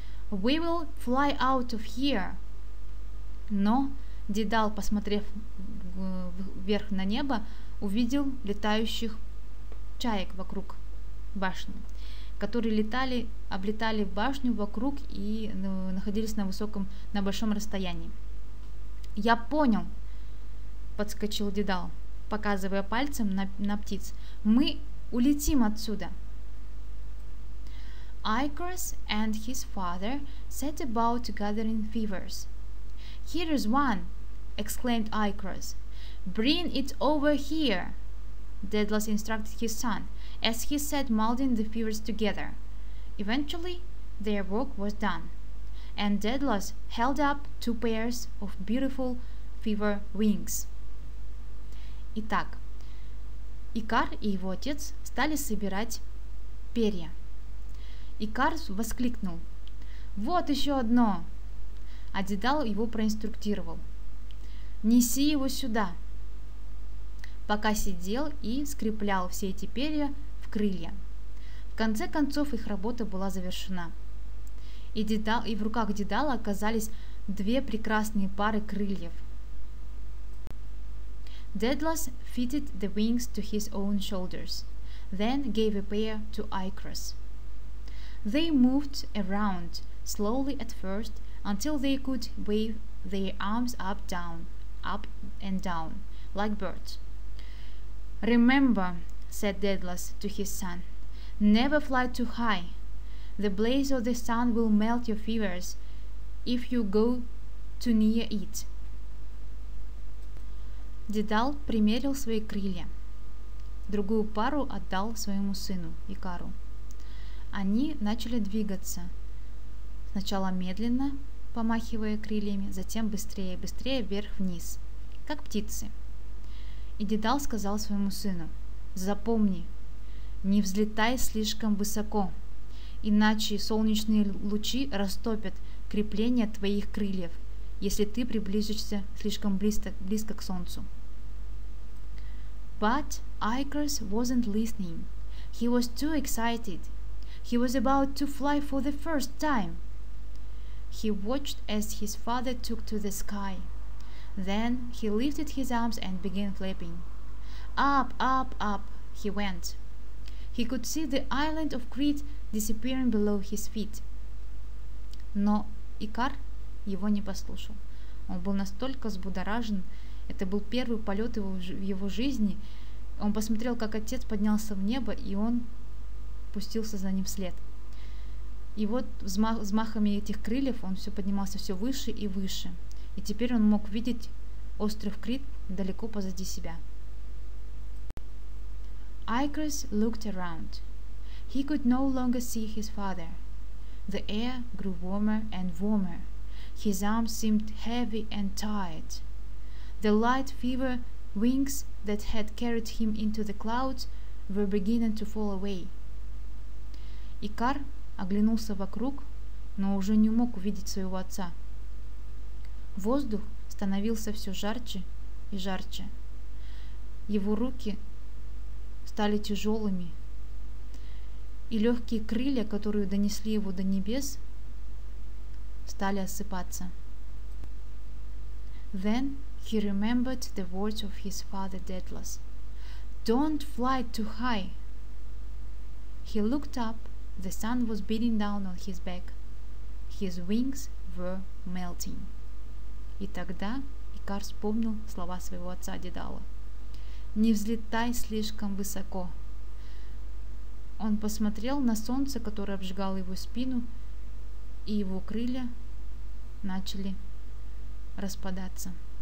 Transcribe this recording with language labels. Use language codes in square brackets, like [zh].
[en] We will fly out of here! [ru] Но Дедал, посмотрев вверх на небо, увидел летающих чаек вокруг башни, которые летали, облетали башню вокруг и находились на высоком, на большом расстоянии. «Я понял!» – подскочил Дедал, показывая пальцем на птиц. «Мы улетим отсюда!» [en] Icarus and his father set about gathering feathers. «Here is one!» – exclaimed Icarus. «Bring it over here!» – Daedalus instructed his son, as he sat molding the feathers together. Eventually, their work was done. And Daedalus held up two pairs of beautiful feather wings. [ru] Итак, Икар и его отец стали собирать перья. Икар воскликнул: Вот еще одно. А Дедал его проинструктировал. Неси его сюда. Пока сидел и скреплял все эти перья в крылья. В конце концов их работа была завершена. И в руках Дедала оказались две прекрасные пары крыльев. [en] Daedalus fitted the wings to his own shoulders, then gave a pair to Icarus. They moved around slowly at first until they could wave their arms up and down, like birds. Remember, said Daedalus to his son, never fly too high. The blaze of the sun will melt your feathers if you go too near it. [ru] Дедал примерил свои крылья. Другую пару отдал своему сыну Икару. Они начали двигаться. Сначала медленно, помахивая крыльями, затем быстрее и быстрее вверх-вниз, как птицы. И Дедал сказал своему сыну: «Запомни, не взлетай слишком высоко, иначе солнечные лучи растопят крепление твоих крыльев, если ты приблизишься слишком близко к солнцу». [en] But Icarus wasn't listening. He was too excited. He was about to fly for the first time. He watched as his father took to the sky. Then he lifted his arms and began flapping. Up, up, up, he went. He could see the island of Crete disappearing below his feet. [ru] Но Икар его не послушал. Он был настолько взбудоражен. Это был первый полет в его жизни. Он посмотрел, как отец поднялся в небо, и он пустился за ним вслед. И вот взмахами этих крыльев он все поднимался все выше и выше. И теперь он мог видеть остров Крит далеко позади себя. [en] Icarus looked around. He could no longer see his father. The air grew warmer and warmer. His arms seemed heavy and tired. The light fever wings that had carried him into the clouds were beginning to fall away. [ru] Икар оглянулся вокруг, но уже не мог увидеть своего отца. Воздух становился все жарче и жарче. Его руки стали тяжелыми, и легкие крылья, которые донесли его до небес, стали осыпаться. [en] Then he remembered the words of his father Daedalus. Don't fly too high. He looked up. The sun was beating down on his back. His wings were melting. [ru] И тогда Икар вспомнил слова своего отца Дедала. Не взлетай слишком высоко. Он посмотрел на солнце, которое обжигало его спину, и его крылья начали распадаться.